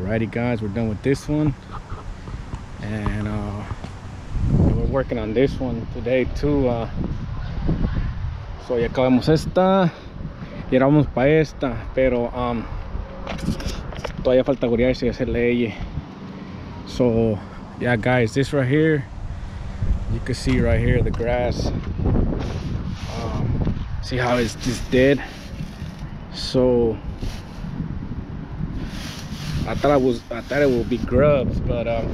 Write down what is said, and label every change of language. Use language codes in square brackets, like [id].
[en] Guys, we're done with this one, and we're working on this one today too. [es] So ya acabamos esta y ahora vamos para esta, pero todavía falta guriarse y hacer ley. [en] So yeah, guys, this right here, you can see right here the grass. See how it's just dead. So I thought it would be grubs, but